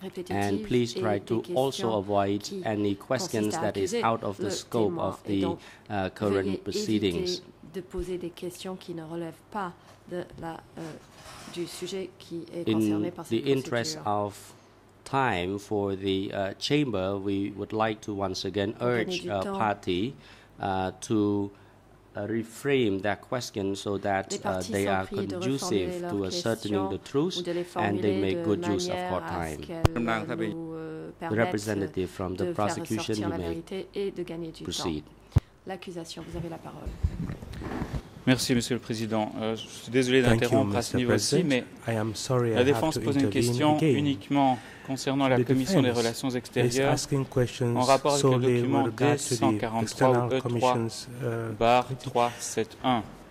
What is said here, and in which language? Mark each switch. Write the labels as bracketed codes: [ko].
[en] And please try to also avoid any questions that is out of the scope of the current proceedings. [fr] De poser des questions qui ne relèvent pas de la du sujet qui est concerné [en] In [fr] par cette procédure. [en] In the interest of time for the chamber, we would like to once again urge a party to reframe that question so that they are conducive to ascertaining the truth and they make good use of court time. The representative from the prosecution, you may proceed. [fr] L'accusation, vous avez la parole. Merci, Monsieur le Président. Je suis désolé d'interrompre à ce niveau-ci, mais la Défense pose une question [en] again. [fr] Uniquement concernant la Commission des relations extérieures en rapport avec le document D143E3-371.